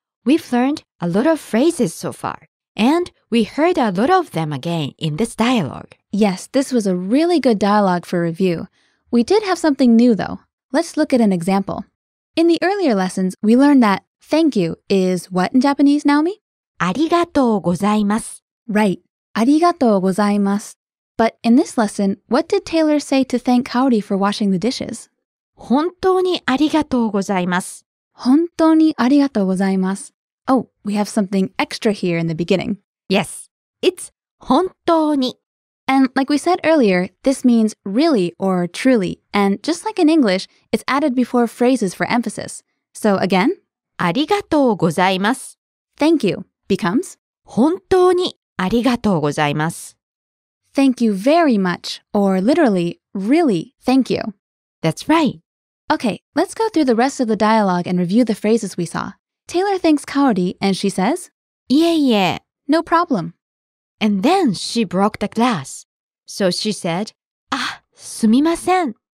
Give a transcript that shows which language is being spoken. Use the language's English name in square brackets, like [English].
[English] We've learned a lot of phrases so far, and we heard a lot of them again in this dialogue. Yes, this was a really good dialogue for review. We did have something new, though. Let's look at an example. In the earlier lessons, we learned that thank you is what in Japanese, Naomi? [Japanese] ありがとうございます. [English] Right. [Japanese] ありがとうございます. [English] But in this lesson, what did Taylor say to thank Kaori for washing the dishes? [Japanese] 本当にありがとうございます. 本当にありがとうございます. [English] Oh, we have something extra here in the beginning. Yes, it's 本当に. And like we said earlier, this means really or truly. And just like in English, it's added before phrases for emphasis. So again, [Japanese] ありがとうございます. [English] Thank you becomes [Japanese] 本当にありがとうございます. [English] Thank you very much, or literally, really, thank you. That's right. Okay, let's go through the rest of the dialogue and review the phrases we saw. Taylor thanks Kaori, and she says, [Japanese] いえいえ. [English] No problem. And then she broke the glass. So she said, [Japanese] すみません.